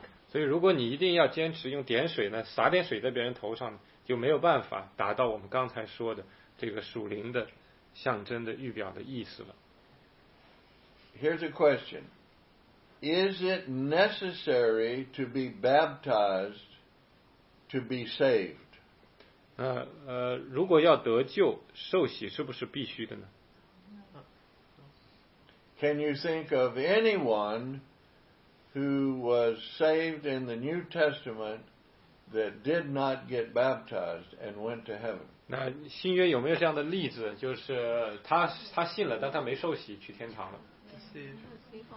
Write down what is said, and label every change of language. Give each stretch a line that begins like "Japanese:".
Chinese: 所以如果你一定要坚持用点水呢，撒点水在别人头上呢，就没有办法达到我们刚才说的这个属灵的象征的预表的意思了。
English: Here's a question. Is it necessary to be baptized to be saved?
Chinese: 如果要得救，受洗是不是必须的呢？
English: Can you think of anyone who was saved in the New Testament? That did not get baptized and went to heaven.
Chinese: 那新约有没有这样的例子？就是他信了，但他没受洗，去天堂了。